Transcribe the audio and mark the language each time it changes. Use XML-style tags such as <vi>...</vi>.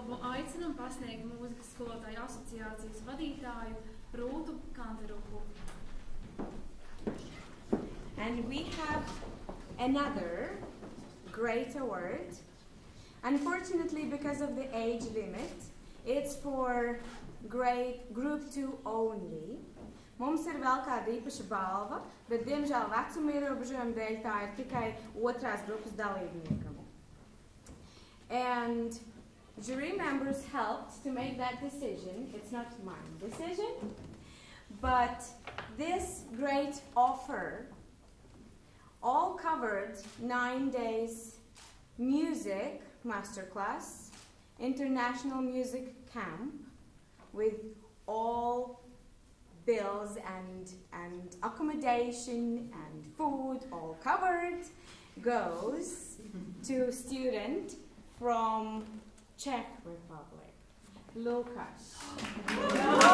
<lv>Aicinam pasniegt mūzikas skolotāju asociācijas vadītāju Rūtu Kanteruku.</lv> <en>And we have another great award. Unfortunately, because of the age limit, it's for group 2 only.</en> <lv>Mums ir vēl kāda īpaša balva, bet diemžēl vecuma ierobežojuma dēļ tā ir tikai otrās grupas dalībniekam.</lv> <en>And jury members helped to make that decision. It's not my decision, but this great offer all covered 9 days music masterclass, international music camp with all bills and accommodation and food all covered goes to student from Czech Republic, Lukas.</en>